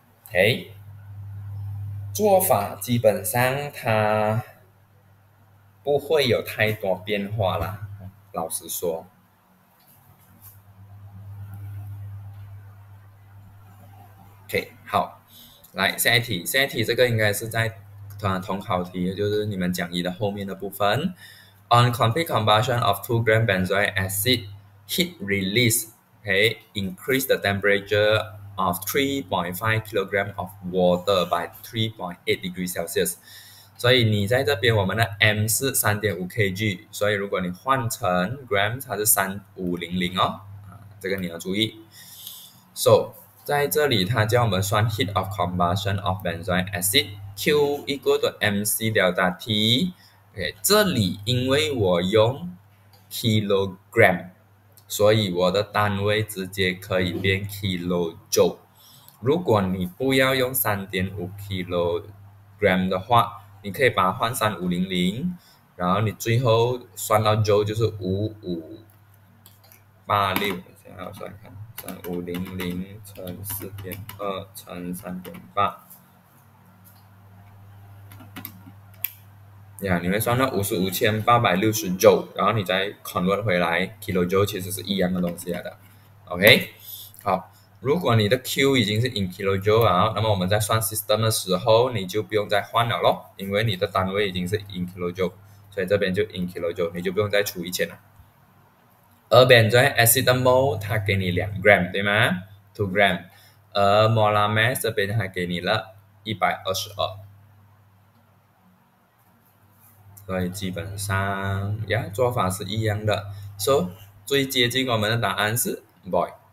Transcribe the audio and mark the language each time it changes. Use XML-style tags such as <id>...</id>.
<zh>OK， 做法基本上它不会有太多变化啦，老实说。 OK， 好， 来下一题，下一题这个应该是在同考题，就是你们讲义的后面的部分。</zh> <en>On complete combustion of 2g benzoic acid, heat release, okay, increase the temperature of 3.5kg of water by 3.8°C.</en> <zh>所以你在这边我们的 m 是 3.5kg， 所以如果你换成 gram 它是 3500 哦， 这个你要注意。 So 在这里它叫我们算 heat of combustion of benzoic acid， Q equal to MC delta T。 okay, 这里因为我用 kilogram， 所以我的单位直接可以变 kilojoule。如果你不要用 3.5kg 的话， 你可以把它换 3500， 然后你最后算到 joule 就是 5586， 等一下我算一看， 3500 乘 4.2 乘 3.8，呀，你会算到55860 joule， 然后你再 convert 回来 kilo joule， 其实是一样的东西来的。 OK， 好，如果你的 Q 已经是 in kilo joule 了，那么我们在算 system 的时候，你就不用再换了咯，因为你的单位已经是 in kilo joule， 所以这边就 in kilo joule， 你就不用再除1000了。而 benzoate acetate mole 它给你2 gram 对吗？ 2 gram， 而 molar mass 这边它给你了122。所以基本上呀，做法是一样的。 So 最接近我们的答案是 boy。</zh>